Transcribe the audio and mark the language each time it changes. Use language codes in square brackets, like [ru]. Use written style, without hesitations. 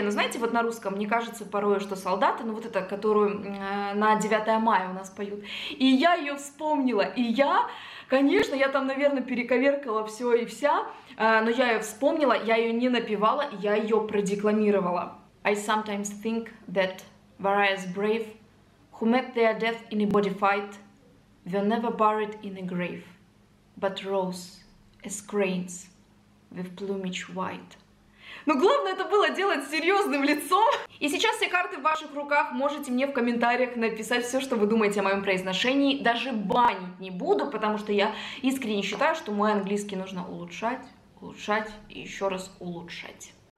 [ru] Ну, знаете, вот на русском мне кажется порой, что солдаты, ну, вот это, которую на 9 мая у нас поют. И я ее вспомнила. И я, конечно, я там, наверное, перековеркала все и вся, но я ее вспомнила, я ее не напевала, я ее продекламировала. [en] I sometimes think that various brave who met their death in a body fight were never buried in a grave, but rose as cranes with plumage white. [ru] Но главное это было делать с серьезным лицом. И сейчас все карты в ваших руках. Можете мне в комментариях написать все, что вы думаете о моем произношении. Даже банить не буду, потому что я искренне считаю, что мой английский нужно улучшать, улучшать и еще раз улучшать.